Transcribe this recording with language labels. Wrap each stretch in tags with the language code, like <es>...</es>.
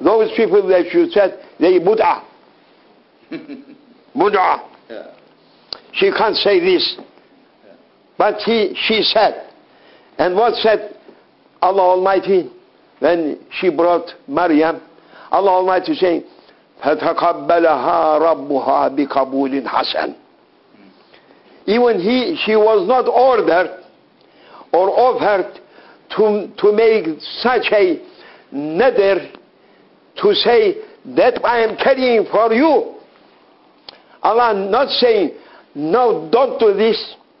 <en>Those people that you said, they Buddha. Buddha. Yeah. She can't say this. Yeah. But she said. And what said Allah Almighty when she brought Maryam? Allah Almighty saying,</en> <ar>فَتَقَبَّلَهَا رَبُّهَا بِقَبُولٍ حَسَنٍ.</ar> <en>Even she was not ordered or offered to make such a nether to say that I am carrying for you. Allah not saying, no, don't do this.</en>